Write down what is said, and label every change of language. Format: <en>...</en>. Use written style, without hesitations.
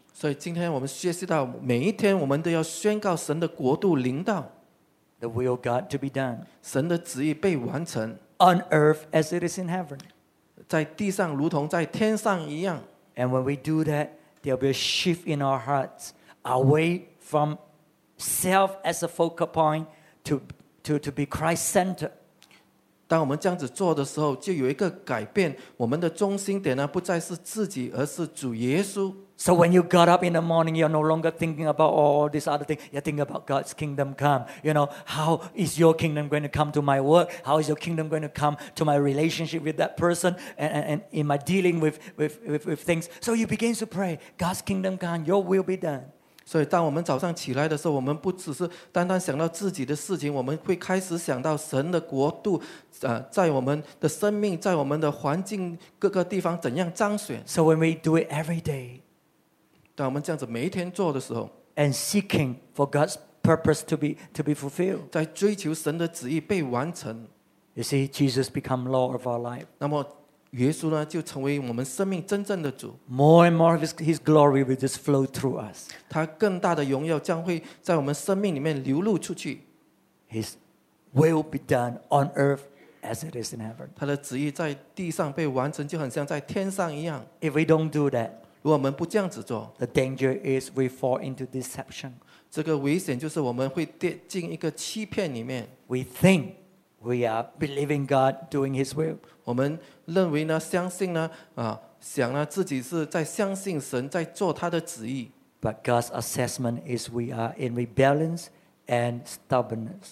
<zh>所以今天我们学习到每一天我们都要宣告神的国度临到。</zh> <en>The will of God to be done.</en> <zh>神的旨意被完成。</zh> <en>On earth as it is in heaven.</en> <zh>在地上如同在天上一样。</zh> <en>And when we do that, there'll be a shift in our hearts away from self as a focal point to be Christ-centered.</en> <zh>当我们这样子做的时候，就有一个改变。我们的中心点呢，不再是自己，而是主耶稣。</zh> <en>So when you got up in the morning, you're no longer thinking about all these other things. You're thinking about God's kingdom come. You know, how is your kingdom going to come to my work? How is your kingdom going to come to my relationship with that person? And in my dealing with things. So you begin to pray, God's kingdom come, your will be done.</en> <zh>所以当我们早上起来的时候，我们不只是单单想到自己的事情，我们会开始想到神的国度在我们的生命，在我们的环境各个地方怎样彰显。</zh> <en>So when we do it every day,</en> <zh>当我们这样子每一天做的时候，</zh> <en>and seeking for God's purpose to be fulfilled,</en> <zh>在追求神的旨意被完成，</zh> <en>You see, Jesus become Lord of our life.</en> <zh>那么耶稣呢，就成为我们生命真正的主。</zh> <en>More and more of His glory will just flow through us.</en> <zh>他更大的荣耀将会在我们生命里面流露出去。</zh> <en>His will be done on earth as it is in heaven.</en> <zh>他的旨意在地上被完成，就很像在天上一样。</zh> <en>If we don't do that,</en> <zh>如果我们不这样子做</zh> <en>，the danger is we fall into deception.</en> <zh>这个危险就是我们会跌进一个欺骗里面。</zh> <en>We think. We are believing God doing His will.</en> <zh>我们认为呢，相信呢，想呢，自己是在相信神，在做他的旨意。</zh> <en>But God's assessment is we are in rebellion and stubbornness.</en>